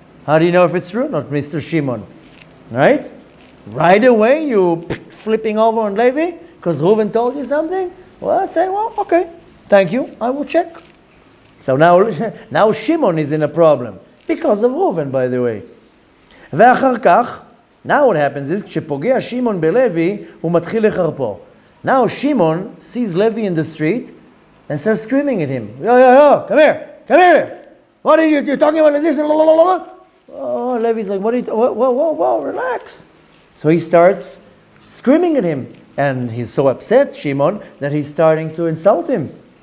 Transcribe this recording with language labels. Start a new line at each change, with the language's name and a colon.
English: How do you know if it's true? Not Mr. Shimon. Right? Right away, you flipping over on Levi, because Reuven told you something? Well, I say, well, okay, thank you, I will check. So now Shimon is in a problem, because of Reuven, by the way.
Hebrew: Ve'achar kach,
English: now what happens is,
Hebrew: כשפוגע Shimon בלוי, הוא מתחיל לחרפו.
English: Now Shimon sees Levi in the street and starts screaming at him. Yo, yo, yo, come here. What are you talking about like this? Oh, Levi's like, what are you, whoa, relax. So he starts screaming at him. And he's so upset, Shimon, that he's starting to insult him.